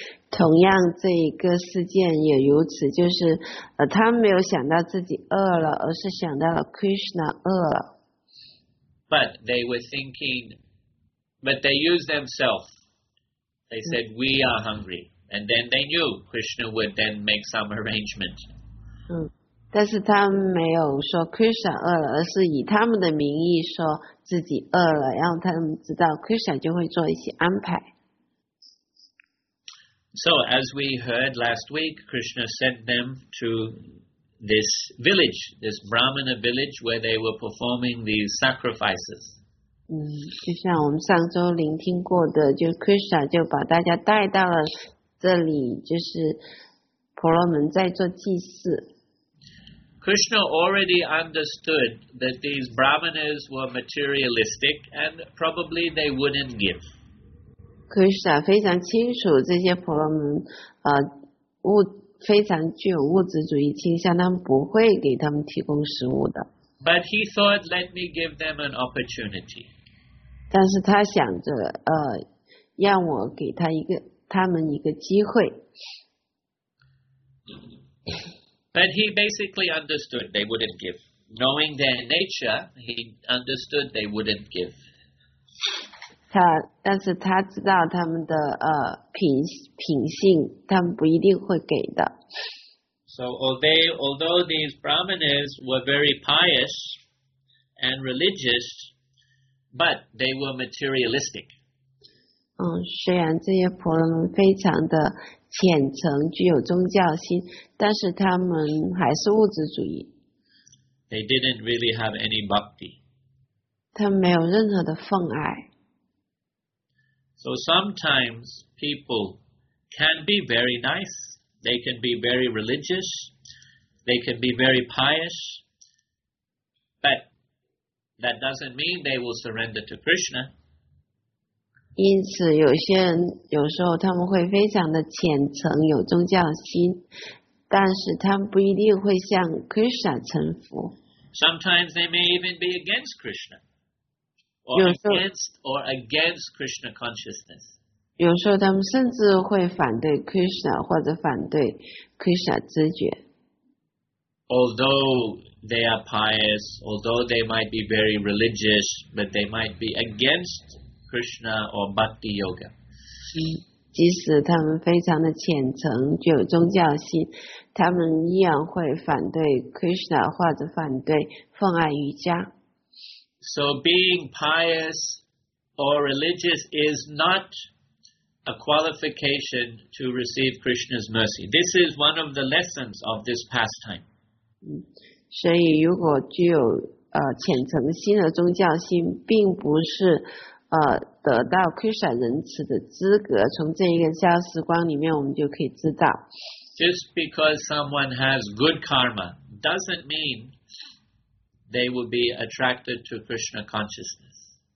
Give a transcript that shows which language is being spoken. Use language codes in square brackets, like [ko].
[zh] 同样这一个事件也如此，就是他们没有想到自己饿了，而是想到了 Krishna 饿了。 [en] But they were thinking, but they used themselves. They said, we are hungry. And then they knew Krishna would then make some arrangement. [zh] 但是他们没有说 Krishna 饿了，而是以他们的名义说自己饿了，然后他们知道 Krishna 就会做一些安排。 [en] So, as we heard last week, Krishna sent them to this village, this Brahmana village where they were performing these sacrifices. [zh] 就像我们上周聆听过的，就 Krishna 就把大家带到了这里，就是婆罗门在做祭祀。 [en] Krishna already understood that these Brahmanas were materialistic and probably they wouldn't give. [zh] Krishna 非常清楚这些婆罗门非常具有物质主义倾向，他们不会给他们提供食物的。 [en] But he thought, let me give them an opportunity. [zh] 但是他想着让我给他们一个机会。 [en] But he basically understood they wouldn't give. Knowing their nature, he understood they wouldn't give. [zh] 但是他知道他们的品性，他们不一定会给的。 [en] So although these Brahmanas were very pious and religious, but they were materialistic. [zh] 虽然这些婆罗门非常的虔诚，具有宗教心，但是他们还是物质主义。 [en] They didn't really have any bhakti. [zh] 他们没有任何的奉爱。 [en] So sometimes people can be very nice, they can be very religious, they can be very pious, but that doesn't mean they will surrender to Krishna. [zh] 因此有些人有时候他们会非常的虔诚，有宗教心，但是他们不一定会向 Krishna 臣服。 [en] Sometimes they may even be against Krishna. Or against Krishna consciousness. [zh] 有时候他们甚至会反对 Krishna 或者反对 Krishna 知觉。 [en] Although they are pious, although they might be very religious, but they might be against Krishna or Bhakti Yoga. [zh] 即使他们非常的虔诚，具有宗教心，他们依然会反对 Krishna 或者反对奉爱瑜伽。 [en] So being pious or religious is not a qualification to receive Krishna's mercy. This is one of the lessons of this pastime. [zh] 所以如果具有虔诚心的宗教心，并不是得到 Krishna 仁慈的资格。从这一个加时光里面，我们就可以知道。 [en] Just because someone has good karma doesn't mean they will be attracted to Krishna consciousness.